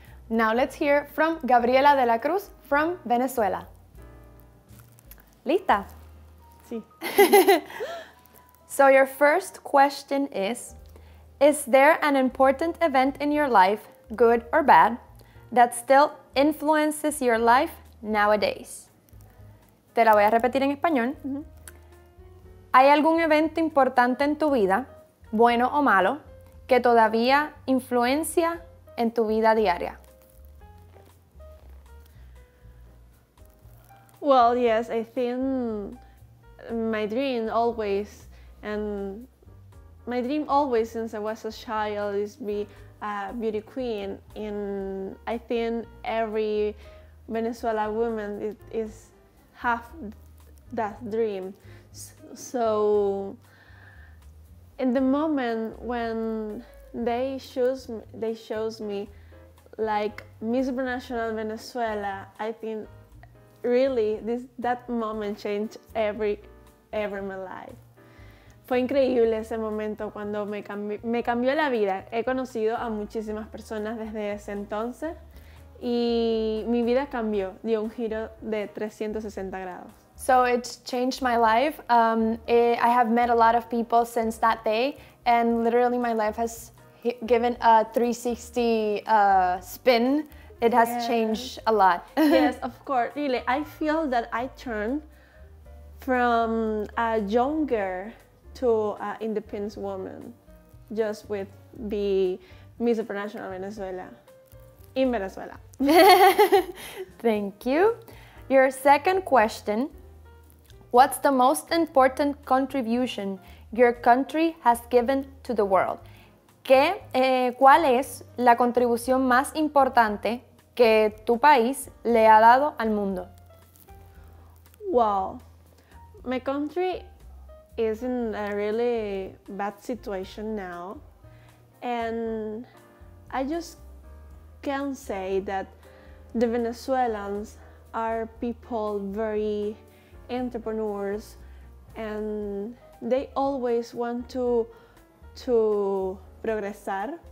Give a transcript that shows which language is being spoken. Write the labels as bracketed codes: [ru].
[en] Now let's hear from Gabriela de la Cruz from Venezuela. Lista. [es] Sí. [en] So your first question is there an important event in your life, good or bad, that still influences your life nowadays? [es] Te la voy a repetir en español. Mm-hmm. ¿Hay algún evento importante en tu vida, bueno o malo, que todavía influencia en tu vida diaria? [en] Well, yes, I think my dream always, and my dream always since I was a child, is be a beauty queen. And I think every Venezuelan woman is half that dream. So in the moment when they chose me like Miss Supranational Venezuela, I think really that moment changed every my life. [es] Fue increíble ese momento cuando me cambió la vida. He conocido a muchísimas personas desde ese entonces y mi vida cambió, dio un giro de 360 grados. [en] So it's changed my life. I have met a lot of people since that day, and literally my life has given a 360 spin. It has changed a lot. Yes, of course. Really, I feel that I turned from a young girl to an independent woman just with the Miss Supranational Venezuela. In Venezuela. Thank you. Your second question. What's the most important contribution your country has given to the world? ¿Cuál es la contribución más importante que tu país le ha dado al mundo? Well, my country is in a really bad situation now, and I just can't say that the Venezuelans are people very entrepreneurs, and they always want to progresar.